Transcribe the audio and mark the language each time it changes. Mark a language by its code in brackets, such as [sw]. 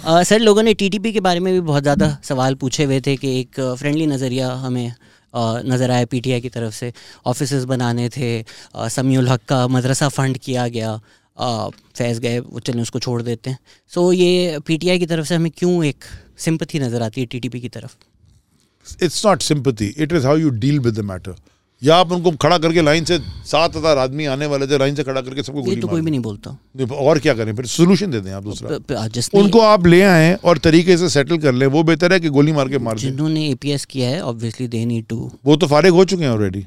[ur] سر لوگوں نے T T P کے بارے میں بھی بہت زیادہ سوال پوچھے ہوئے تھے کہ ایک فرینڈلی نظریہ ہمیں نظر آیا پی ٹی آئی کی طرف سے, آفیسز بنانے تھے, سمیع الحق کا مدرسہ فنڈ کیا گیا, فیض گئے, وہ چلیں اس کو چھوڑ دیتے ہیں. سو یہ پی ٹی آئی کی طرف سے ہمیں کیوں ایک سمپتھی نظر آتی ہے ٹی ٹی پی کی طرف؟ [en] It's not sympathy, it is how you deal with the matter. [ur] یا آپ ان کو کھڑا کر کے لائن سے 7,000 آدمی آنے والے تھے, لائن سے کھڑا کر کے سب کو گولی مار, تو کوئی بھی نہیں بولتا, اور کیا کریں پھر, سولوشن دے دیں آپ دوسرا, ان کو آپ لے آئیں اور طریقے سے سیٹل کر لیں, وہ بہتر ہے کہ گولی مار کے مار دیں. جنہوں نے اے پی ایس کیا ہے [en] obviously they need to, [ur] وہ تو فارغ ہو چکے ہیں آلریڈی,